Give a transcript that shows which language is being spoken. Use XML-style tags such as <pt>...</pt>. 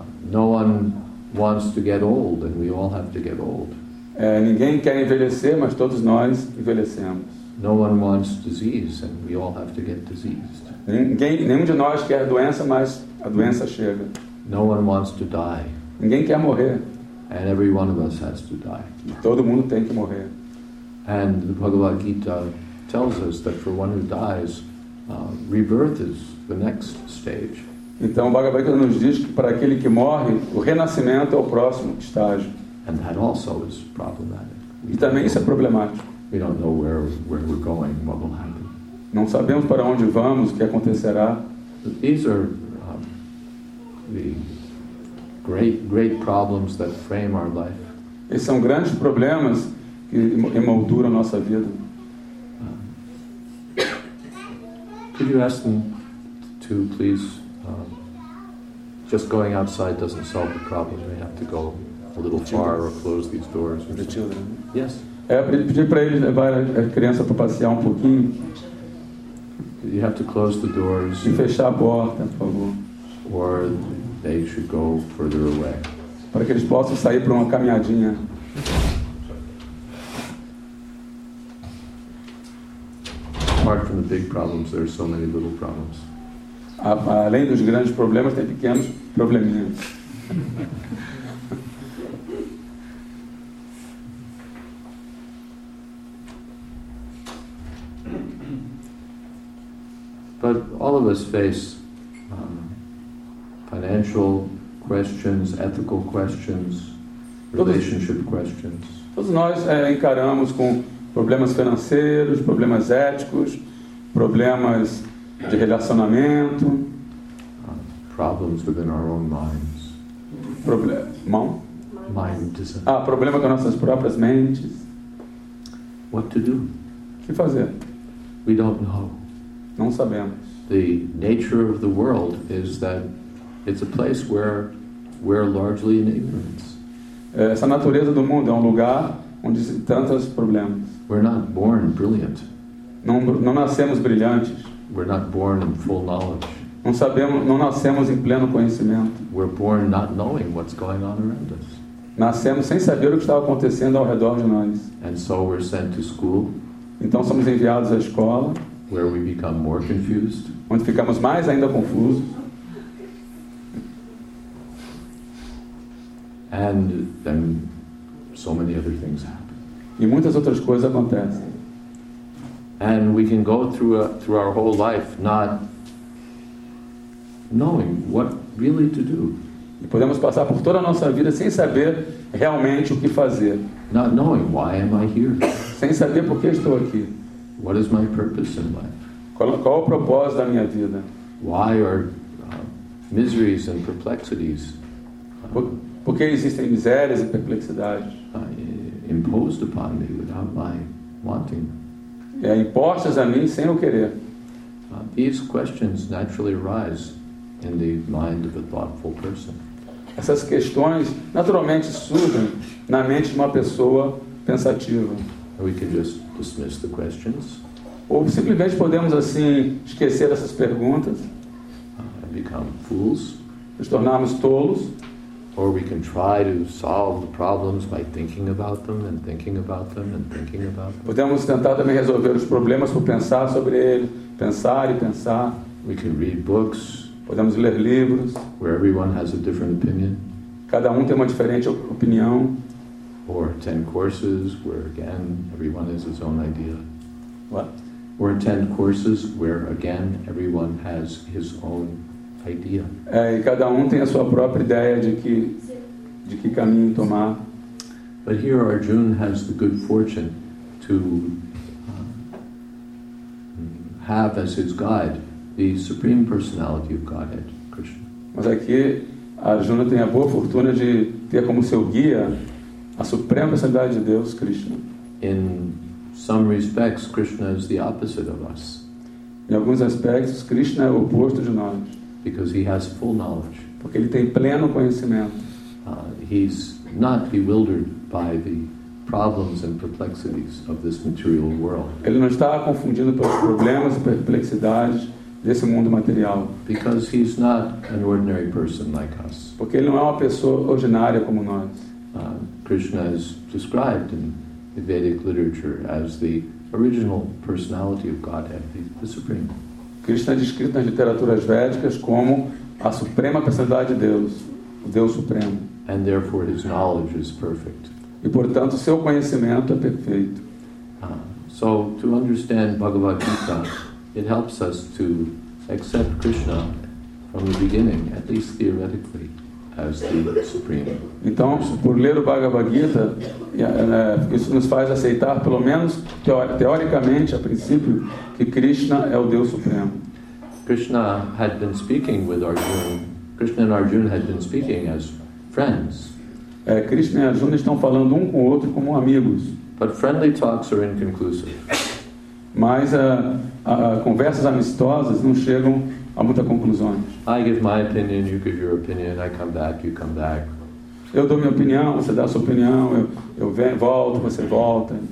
<en>No one wants to get old, and we all have to get old.</en> <pt>Ninguém quer envelhecer, mas todos nós envelhecemos.</pt> <en>No one wants disease, and we all have to get diseased.</en> <pt>Nenhum de nós quer doença, mas a doença chega.</pt> <en>No one wants to die.</en> <pt>Ninguém quer morrer.</pt> <en>And every one of us has to die.</en> <pt>Todo mundo tem que morrer.</pt> <en>And the Bhagavad Gita tells us that for one who dies, rebirth is the next stage.</en> <pt>Então o Bhagavad Gita nos diz que para aquele que morre, o renascimento é o próximo estágio.</pt> <en>And that also is problematic.</en> <pt>E também isso é problemático.</pt> <en>We don't know where we're going, what will happen.</en> <pt>Não sabemos para onde vamos, o que acontecerá.</pt> <en>These are the great problems that frame our life.</en> <pt>Esses são grandes problemas que emolduram a nossa vida.</pt> <en>Could you ask them to please just going outside doesn't solve the problem. They have to go a little far or close these doors. The children. Yes.</en> <pt>Pedir para eles levar a criança para passear um pouquinho.</pt> <en>You have to close the doors.</en> <pt>E fechar a porta, por favor.</pt> <en>Or they should go further away.</en> <pt>Para que eles possam sair para uma caminhadinha.</pt> <en>Apart from the big problems, there are so many little problems.</en> <pt>Além dos grandes problemas, tem pequenos probleminhas.</pt> <en>But all of us face financial questions, ethical questions, relationship questions.</en> <pt>Todos nós encaramos com problemas financeiros, problemas éticos, problemas de relacionamento.</pt> <en>Problems within our own minds.</en> <pt>Problema com nossas próprias mentes.</pt> <en>What to do?</en> <pt>O que fazer?</pt> <en>We don't know.</en> <pt>Não sabemos.</pt> <en>The nature of the world is that it's a place where we're largely in ignorance.</en> <pt>Essa natureza do mundo é um lugar onde existem tantos problemas.</pt> <en>We're not born brilliant.</en> <pt>Não nascemos brilhantes.</pt> <en>We're not born in full knowledge.</en> <pt>Não nascemos em pleno conhecimento.</pt> <en>We're born not knowing what's going on around us.</en> <pt>Nascemos sem saber o que estava acontecendo ao redor de nós.</pt> <en>And so we're sent to school.</en> <pt>Então somos enviados à escola.</pt> <en>Where we become more confused.</en> <pt>Onde ficamos mais ainda confusos.</pt> <en>And then so many other things happen.</en> <pt>E muitas outras coisas acontecem.</pt> <en>And we can go through our whole life not knowing what really to do.</en> <pt>E podemos passar por toda a nossa vida sem saber realmente o que fazer.</pt> <en>Not knowing why am I here.</en> <pt>Sem saber por que estou aqui.</pt> <en>What is my purpose in life?</en> <pt>Qual o propósito da minha vida?</pt> <en>Why are miseries and perplexities?</en> <pt>Por que existem misérias e perplexidades?</pt> <en>Imposed upon me without my wanting.</en> <pt>Impostas a mim sem eu querer.</pt> <en>These questions naturally arise in the mind of a thoughtful person.</en> <pt>Essas questões naturalmente surgem na mente de uma pessoa pensativa.</pt> <en>We can just dismiss the questions.</en> <pt>Ou simplesmente podemos assim esquecer essas perguntas.</pt> <en>Become fools.</en> <pt>Nos tornarmos tolos.</pt> <en>Or we can try to solve the problems by thinking about them and thinking about them and thinking about them.</en> <pt>Podemos tentar também resolver os problemas por pensar sobre ele, pensar e pensar.</pt> <en>We can read books.</en> <pt>Podemos ler livros.</pt> <en>Where everyone has a different opinion.</en> <pt>Cada tem uma diferente opinião.</pt> <en>Or attend courses where again everyone has his own idea. What? Or attend courses where again everyone has his own idea.</en> <pt>E cada tem a sua própria ideia de que caminho tomar.</pt> <en>But here Arjun has the good fortune to have as his guide the Supreme Personality of Godhead, Krishna.</en> <pt>Mas aqui Arjuna tem a boa fortuna de ter como seu guia a Suprema Personalidade de Deus, Krishna.</pt> <en>In some respects, Krishna is the opposite of us.</en> <pt>Em alguns aspectos, Krishna é o oposto de nós.</pt> <en>Because he has full knowledge.</en> <pt>Porque ele tem pleno conhecimento.</pt> <en>He's not bewildered by the problems and perplexities of this material world.</en> <pt>Ele não está confundido pelos problemas e perplexidades desse mundo material.</pt> <en>Because he's not an ordinary person like us.</en> <pt>Porque ele não é uma pessoa ordinária como nós.</pt> <en>Krishna is described in the Vedic literature as the original personality of Godhead, the Supreme.</en> <pt>Krishna é descrito nas literaturas védicas como a suprema personalidade de Deus, o Deus Supremo.</pt> <en>And therefore his knowledge is perfect.</en> <pt>E portanto seu conhecimento é perfeito.</pt> <en>So to understand Bhagavad Gita, it helps us to accept Krishna from the beginning, at least theoretically, as the Supreme.</en> <pt>Então, por ler o Bhagavad Gita, isso nos faz aceitar, pelo menos teoricamente, a princípio, que Krishna é o Deus Supremo.</pt> <en>Krishna had been speaking with Arjuna. Krishna and Arjuna had been speaking as friends.</en> <pt>Krishna e Arjuna estão falando com o outro como amigos.</pt> <en>But friendly talks are inconclusive.</en> <pt>Mas conversas amistosas não chegam a muita conclusão.</pt> <en>I give my opinion, you give your opinion, I come back, you come back.</en> <pt>Eu dou minha opinião, você dá sua opinião, eu volto, você volta.</pt>